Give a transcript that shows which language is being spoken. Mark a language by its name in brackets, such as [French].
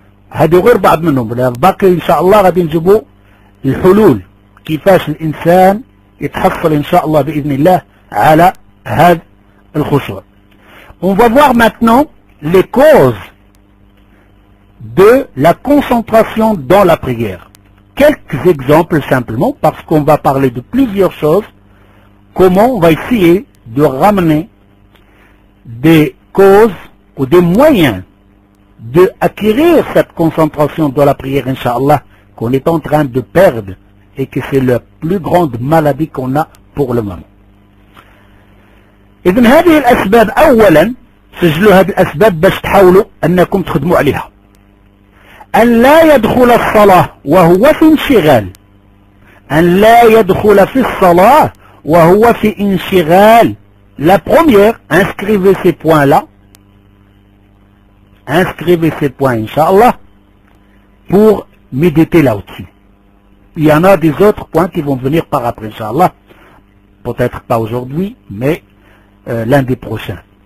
[Arabic] هذه غير بعض منهم باقي ان شاء الله غادي نجيبوا الحلول كيفاش الانسان يتحصل ان شاء الله باذن الله على هذا الخشوع. [French] On va voir maintenant les causes de la concentration dans la prière. Quelques exemples simplement parce qu'on va parler de plusieurs choses. Comment on va essayer de ramener des causes ou des moyens de acquérir cette concentration dans la prière, Inch'Allah, qu'on est en train de perdre et que c'est la plus grande maladie qu'on a pour le moment. [Arabic] إذن هذه الأسباب أولا سجلوا هذه الأسباب باش تحاولوا أنكم تخدموا عليها. أن لا يدخل الصلاة وهو في انشغال. أن لا يدخل في الصلاة وهو في انشغال. [French] La première, inscrivez ces points-là. Inscrivez ces points, Inch'Allah, pour méditer là-dessus. Il y en a des autres points qui vont venir par après, Inch'Allah. Peut-être pas aujourd'hui, mais lundi prochain.